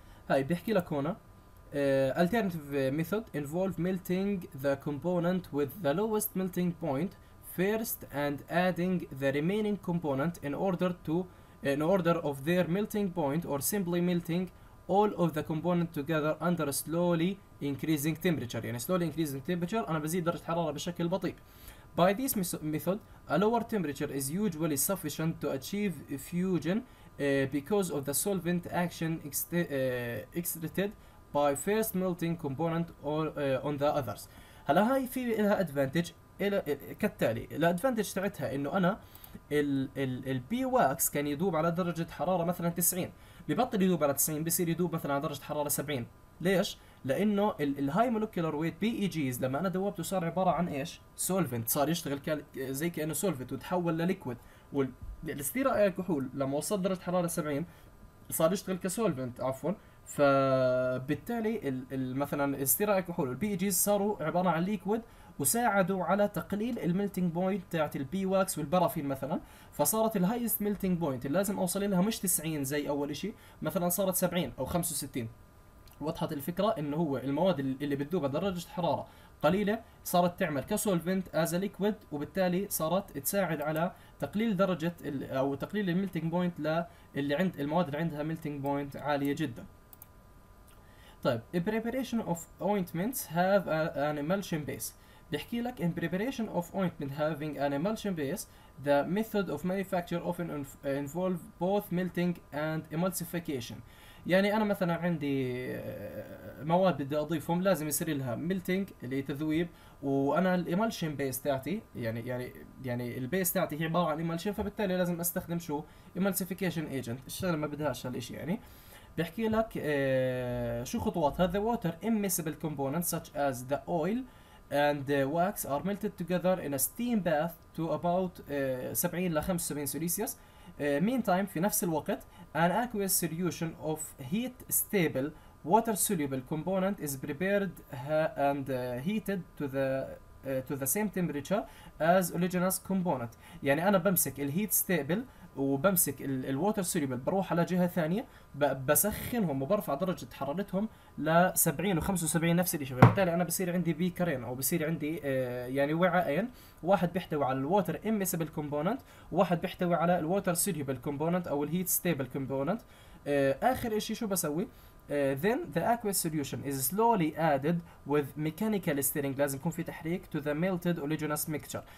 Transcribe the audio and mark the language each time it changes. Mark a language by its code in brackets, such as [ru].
[ar] هاي بيحكي لك هون [en] alternative method involve melting the component with the lowest melting point first and adding the remaining component in order of their melting point or simply melting all of the component together under slowly increasing temperature. [ar] يعني [en] slowly increasing temperature [ar] انا بزيد درجة حرارة بشكل بطيء. [en] By this method a lower temperature is usually sufficient to achieve fusion because of the solvent action exerted by first melting component or on the others. [ar] هلا هاي في لها ادفانتج كالتالي. الادفانتج تاعتها انه انا البي واكس كان يدوب على درجة حرارة مثلا 90، ببطل يدوب على 90 بصير يدوب مثلا على درجة حرارة 70. ليش؟ لانه الهاي مولكيولار ويت بي اي جيز لما انا دوبته صار عبارة عن ايش؟ سولفنت، صار يشتغل زي كأنه سولفنت وتحول لليكويد، والاستيرايل الكحول لما وصل درجة حرارة 70 صار يشتغل كسولفنت عفوا. فبالتالي مثلا الاستيرايل الكحول والبي اي جيز صاروا عبارة عن ليكويد وساعدوا على تقليل الميلتنج بوينت تاعت البي واكس والبرافين مثلا، فصارت الهايست ميلتنج بوينت اللي لازم اوصل لها مش 90 زي اول شيء، مثلا صارت 70 او 65. وضحت الفكره انه هو المواد اللي بتذوب درجه حراره قليلة صارت تعمل كسولفنت از ليكويد، وبالتالي صارت تساعد على تقليل درجة او تقليل الميلتنج بوينت للي عند المواد اللي عندها ميلتنج بوينت عالية جدا. طيب [en] in preparation of ointments have an emulsion base، [ar] بيحكي لك [en] in preparation of ointment having an emulsion base the method of manufacture often involve both melting and emulsification. [ar] يعني انا مثلا عندي مواد بدي اضيفهم لازم يصير لها ميلتنج اللي تذويب، وانا الايمالشن بيس تاعتي يعني البيس تاعتي هي عباره عن ايمالشن، فبالتالي لازم استخدم شو ايمالسيفيكيشن ايجنت. الشغله ما بدهاش هالشيء. يعني بيحكي لك شو خطواتها. [en] The water immiscible components such as the oil and wax are melted together in a steam bath to about 70 ل 75 Celsius. Meantime [ar] في نفس الوقت [en] an aqueous solution of heat stable water soluble component is prepared and heated to the same temperature as oligenous component. [ar] يعني انا بمسك الهيت ستيبل وبمسك ال [en] water soluble [ar] بروح على جهة ثانية بسخنهم وبرفع درجة حرارتهم ل 70 و75 نفس الشيء، فبالتالي انا بصير عندي بيكرين او بصير عندي يعني وعاءين، واحد بيحتوي على الووتر اميسبل كومبوننت وواحد بيحتوي على الووتر سوليبل كومبوننت او الهيت ستيبل كومبوننت. اخر شيء شو بسوي؟ [en] then the aqueous solution is slowly added with mechanical stirring. [ar] لازم يكون في تحريك [en] to the melted oligenous mixture.